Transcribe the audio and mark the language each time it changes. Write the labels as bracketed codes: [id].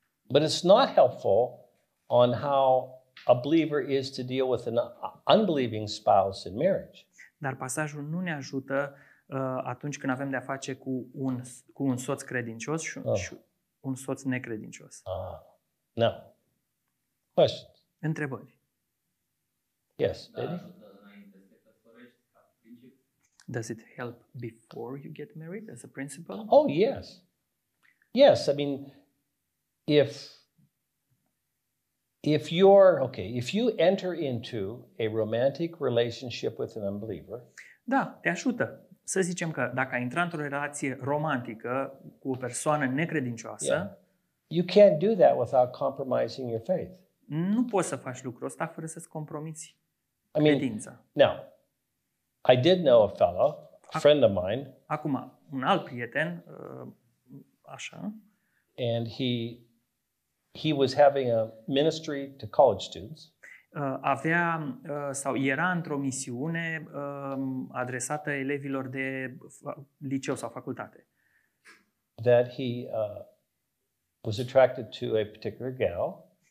[en] But it's not helpful on how a believer is to deal with an unbelieving spouse in marriage. [ro] Dar pasajul nu ne ajută atunci când avem de-a face cu un soț credincios și un soț necredincios. [en] No. Questions. [ro] Întrebări. [en] Yes, baby. Does it help before you get married as a principle? Oh, yes. Yes, I mean, if If you're okay, if you enter into a romantic relationship with an unbeliever, [ro] da, te ajută. Să zicem că dacă ai intrat într-o relație romantică cu o persoană necredincioasă, [en] yeah. You can't do that without compromising your faith. [ro] Nu poți să faci lucrul ăsta fără să-ți compromiți credința. [en] Now, I did know a fellow, a friend of mine. [ro] Acum, un alt prieten, așa. [en] And he was having a ministry to college students. [ro] Avea sau era într-o misiune adresată elevilor de liceu sau facultate. [en] That he was attracted to a particular girl.